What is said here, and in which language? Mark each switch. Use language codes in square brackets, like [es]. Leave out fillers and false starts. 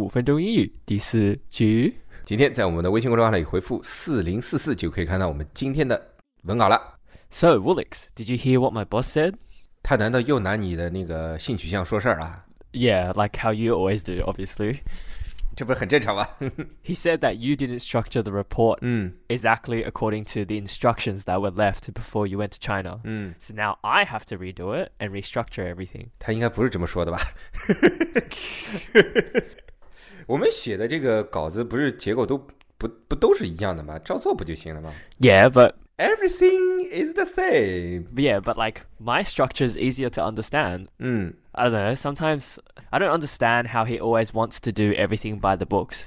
[zh] 他在悉尼为大家广播。欢迎大家收听五分钟英语第四集。今天在我们的微信公众号里回复4044就可以看到我们今天的文稿了。 [en] So, Woolix, did you hear what my boss said? [zh] 他难道又拿你的那个性取向说事儿了？ [en] Yeah, like how you always do, obviously. [zh] 这不是很正常吗？ [en] He said that you didn't structure the report exactly according to the instructions that were left before you went to China. So now I have to redo it and restructure everything. [zh] 他应该不是这么说的吧？我们写的这个稿子不是结果都 不都是一样的吗？照做不就行了吗？ [en] Yeah, but... Everything is the same. Yeah, but like my structure is easier to understand. I don't know. Sometimes I don't understand how he always wants to do everything by the books.